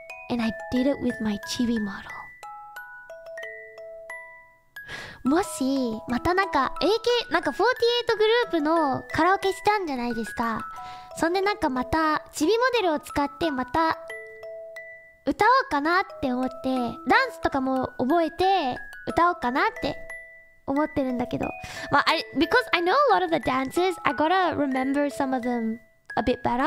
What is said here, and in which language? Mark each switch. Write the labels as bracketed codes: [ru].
[en] And I did it with my chibi model. [ja] もしまたなんかAK48グループのカラオケしたんじゃないですか。そんでなんかまたチビモデルを使ってまた歌おうかなって思って、ダンスとかも覚えて歌おうかなって思ってるんだけど。まあ、because [en] I know a lot of the dances, I gotta remember some of them a bit better.